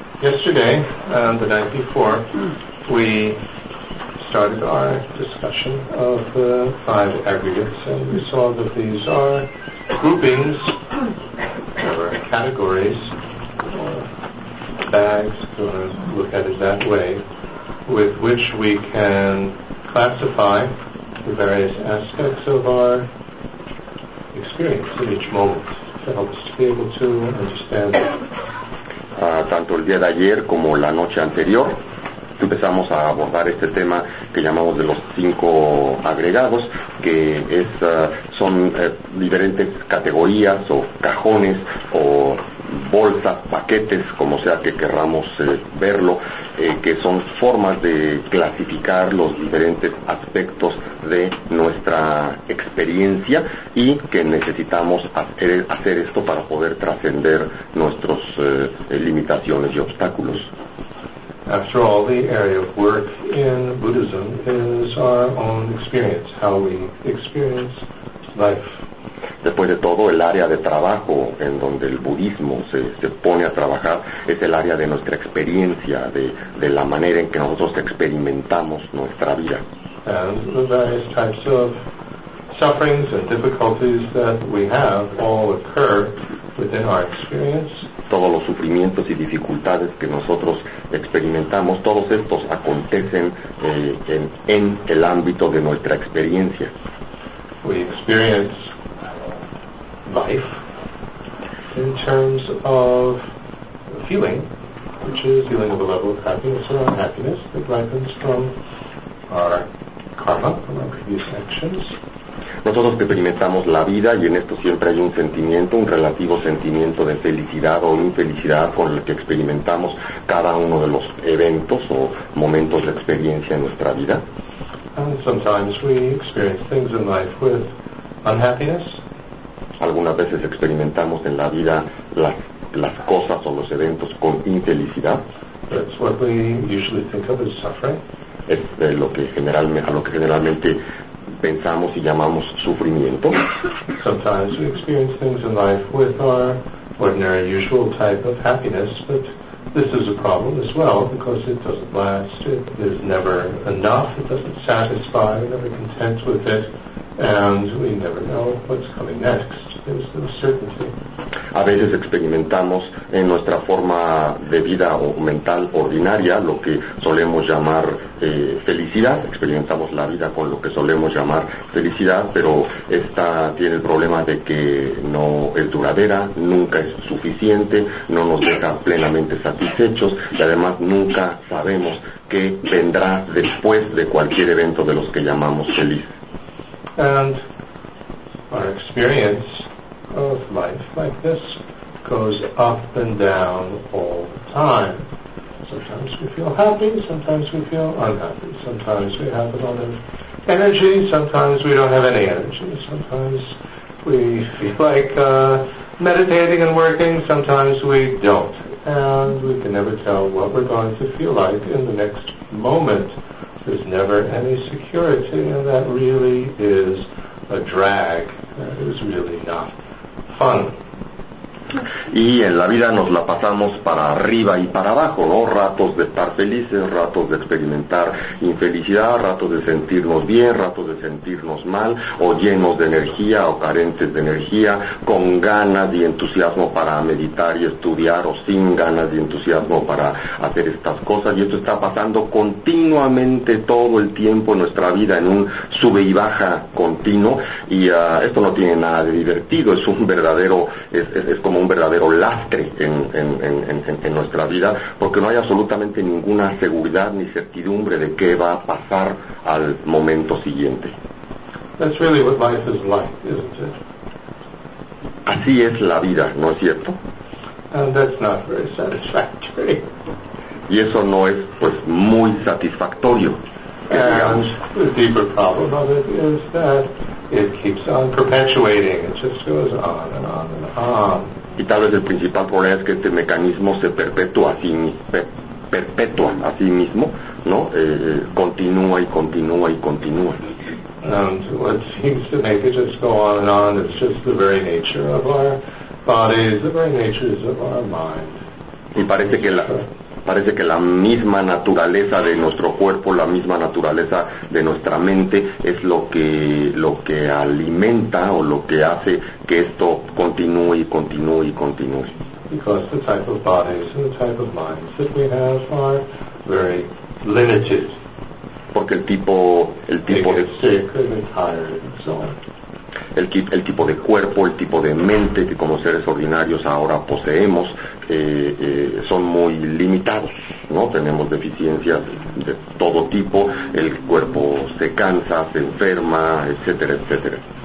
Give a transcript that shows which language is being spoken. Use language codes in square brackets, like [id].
[en] Yesterday, the night before, we started our discussion of the five aggregates, and we saw that these are groupings, or categories, or bags, if you want to look at it that way, with which we can classify the various aspects of our experience in each moment to help us to be able to understand it. [es] Tanto el día de ayer como la noche anterior empezamos a abordar este tema que llamamos de los cinco agregados, que es, son diferentes categorías o cajones o bolsas, paquetes, como sea que querramos verlo, que son formas de clasificar los diferentes aspectos de nuestra experiencia y que necesitamos hacer esto para poder trascender nuestros limitaciones y obstáculos. [en] After all, the area of work in Buddhism is our own experience, how we experience life. [es] Después de todo, el área de trabajo en donde el budismo se pone a trabajar es el área de nuestra experiencia, de la manera en que nosotros experimentamos nuestra vida. [en] And the various types of sufferings and difficulties that we have all occur within our experience. [es] Todos los sufrimientos y dificultades que nosotros experimentamos, todos estos acontecen en el ámbito de nuestra experiencia. [en] We experience life in terms of feeling, which is feeling of a level of happiness or unhappiness that ripens from our karma, from our previous actions. [es] Nosotros experimentamos la vida y en esto siempre hay un sentimiento, un relativo sentimiento de felicidad o infelicidad con el que experimentamos cada uno de los eventos o momentos de experiencia en nuestra vida. [en] And sometimes we experience things in life with unhappiness. [es] Algunas veces experimentamos en la vida las cosas o los eventos con infelicidad. [en] That's what we usually think of as suffering. [es] Es a lo que generalmente pensamos y llamamos sufrimiento. [en] Sometimes we experience things in life with our ordinary, usual type of happiness, but this is a problem as well, because it doesn't last, it is never enough, it doesn't satisfy, we're never content with it, and we never know what's coming next. There's no certainty. [es] A veces experimentamos en nuestra forma de vida o mental ordinaria lo que solemos llamar felicidad. Experimentamos la vida con lo que solemos llamar felicidad, pero esta tiene el problema de que no es duradera, nunca es suficiente, no nos deja plenamente satisfechos y además nunca sabemos qué vendrá después de cualquier evento de los que llamamos feliz. [en] And our experience of life like this goes up and down all the time. Sometimes we feel happy, sometimes we feel unhappy. Sometimes we have a lot of energy, sometimes we don't have any energy. Sometimes we feel like meditating and working, sometimes we don't. And we can never tell what we're going to feel like in the next moment. There's never any security, and that really is a drag. That is really not fun. [es] Y en la vida nos la pasamos para arriba y para abajo, ¿no? Ratos de estar felices, ratos de experimentar infelicidad, ratos de sentirnos bien, ratos de sentirnos mal, o llenos de energía o carentes de energía, con ganas y entusiasmo para meditar y estudiar, o sin ganas y entusiasmo para hacer estas cosas. Y esto está pasando continuamente todo el tiempo en nuestra vida, en un sube y baja continuo, y esto no tiene nada de divertido, es un verdadero, es como un verdadero lastre en nuestra vida, porque no hay absolutamente ninguna seguridad ni certidumbre de qué va a pasar al momento siguiente. [en] That's really what life is like, isn't it? [es] Así es la vida, ¿no es cierto? [en] And that's not very satisfactory. [es] Y eso no es, pues, muy satisfactorio. [en] And the deeper problem of it is that it keeps on perpetuating. It just goes on and on and on. [es] Y tal vez el principal problema es que este mecanismo se perpetúa a sí mismo, ¿no? Continúa y continúa y continúa. [en] And what seems to make it just go on and on is just the very nature of our bodies, the very natures of our mind. [es] Y parece que la parece que la misma naturaleza de nuestro cuerpo, la misma naturaleza de nuestra mente, es lo que alimenta o lo que hace que esto continúe y continúe y continúe. [en] Because the type of bodies and the type of minds that we have are very limited. [es] Porque el tipo [en] they get sick and they're tired and so on. [es] El tipo de cuerpo, el tipo de mente que como seres ordinarios ahora poseemos son muy limitados, ¿no? Tenemos deficiencias de todo tipo, el cuerpo se cansa, se enferma, etcétera, etcétera.